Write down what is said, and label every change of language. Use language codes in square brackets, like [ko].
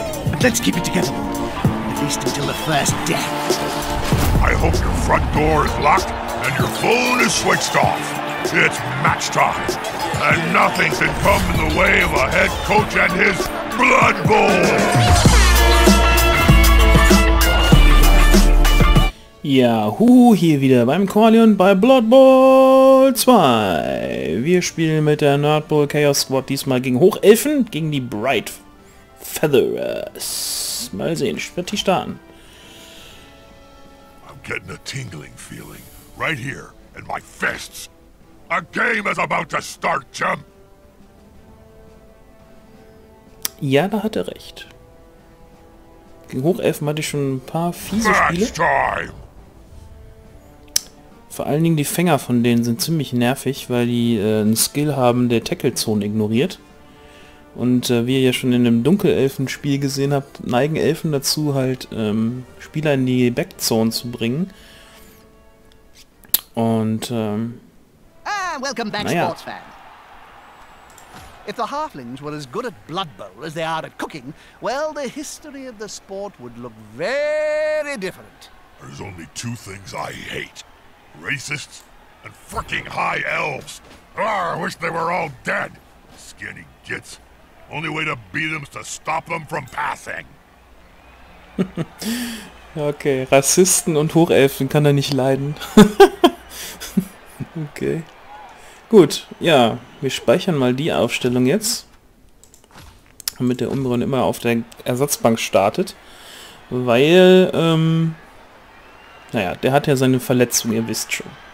[en] But let's keep it together. At least until the first deck. I hope your front door is locked and your phone is switched off. It's match time. And nothing can come in the way of a head coach and his Blood Bowl! [de] Ja, hu, hier wieder beim Corleon bei Blood Bowl 2. Wir spielen mit der Nerd Bowl Chaos Squad diesmal gegen Hochelfen, gegen die Bright Featherers. Mal sehen, ich werde die starten. [en] I'm getting a tingling feeling, right here, in my fists. A game is about to start, Jim. [de] Ja, da hat er recht. Gegen Hochelfen hatte ich schon ein paar fiese Spiele. [en] Match time. [de] Vor allen Dingen die Fänger von denen sind ziemlich nervig, weil die einen Skill haben, der Tackle-Zone ignoriert. Und wie ihr ja schon in dem Dunkelelfen-Spiel gesehen habt, neigen Elfen dazu, halt Spieler in die Backzone zu bringen. Und [en] welcome back, [de] naja. [en] Sports fan. If the Halflings were as good at Blood Bowl as they are at cooking, well, the history of the sport would look very different. There's only two things I hate. Racists and freaking high elves. Arr, I wish they were all dead. Skinny gits. Only way to beat them is to stop them from passing. [de] Okay, Rassisten und Hochelfen kann er nicht leiden. Okay. Gut, ja, wir speichern mal die Aufstellung jetzt. Damit der Umbron immer auf der Ersatzbank startet. Weil, naja, der hat ja seine Verletzung, ihr wisst schon.